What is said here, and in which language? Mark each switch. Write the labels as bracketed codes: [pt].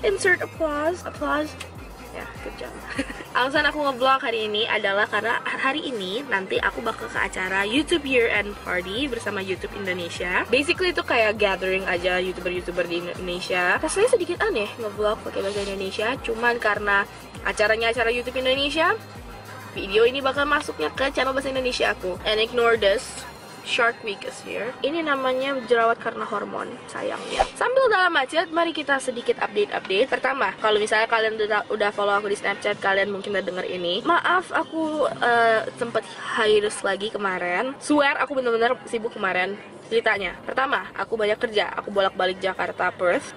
[en] Insert applause, applause. [id] Ya, [en] good job. [id] Alasan aku nge-vlog hari ini adalah karena hari ini nanti aku bakal ke acara YouTube Year End Party bersama YouTube Indonesia. [en] Basically [id] itu kayak gathering aja YouTuber-YouTuber di Indonesia. Rasanya sedikit aneh nge-vlog pakai bahasa Indonesia, cuman karena acaranya acara YouTube Indonesia, video ini bakal masuknya ke channel bahasa Indonesia aku. [en] And ignore this, Shark Week is here. [id] Ini namanya jerawat karena hormon, sayangnya. Sambil dalam macet, mari kita sedikit update-update. Pertama, kalau misalnya kalian udah follow aku di Snapchat, kalian mungkin udah denger ini. Maaf, aku sempet hiatus lagi kemarin. [en] Swear, [id] aku bener-bener sibuk kemarin. Ceritanya, pertama, aku banyak kerja. Aku bolak-balik Jakarta, Perth.